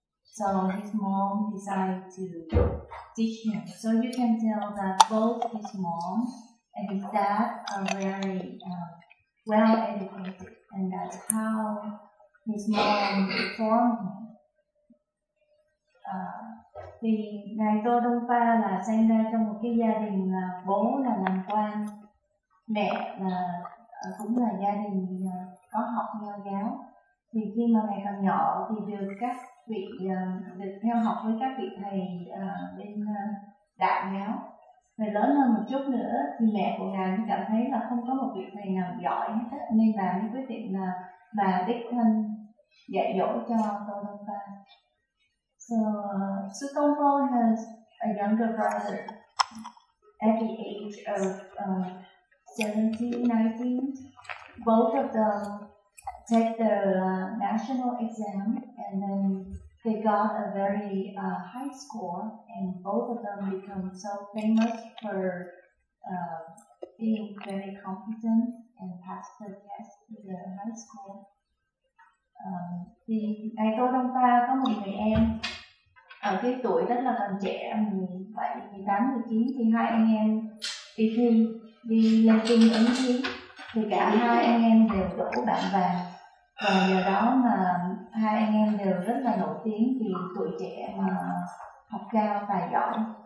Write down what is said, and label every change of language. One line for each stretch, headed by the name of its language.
English: So his mom decided to teach him. So you can tell that both his mom and his dad are very well educated, and that's how his mom formed him.
Vietnamese: Thì ngài Tô Đông Pha là sinh ra trong một cái gia đình là bố là làm quan, mẹ là cũng là gia đình có học Nho giáo. Thì khi mà ngày còn nhỏ thì được các vị được theo học với các vị thầy bên đạo giáo. Và lớn hơn một chút nữa thì mẹ của ngài cảm thấy là không có một vị thầy nào giỏi hết, nên bà mới quyết định là bà đích thân dạy dỗ cho Tô Đông Pha.
English: So Su Feng Po has a younger brother at the age of 17, 19. Both of them take the national exam, and then they got a very high score, and both of them become so famous for being very competent and pass the test to the high school.
Vietnamese: Thì ngày Tô Đông Pha có một người em ở cái tuổi rất là còn trẻ, 17, 18, 19, thì hai anh em đi thi, đi lên trung ứng thi, thì cả hai anh em đều đỗ bạn vàng. Và nhờ đó mà hai anh em đều rất là nổi tiếng vì tuổi trẻ mà học cao tài giỏi.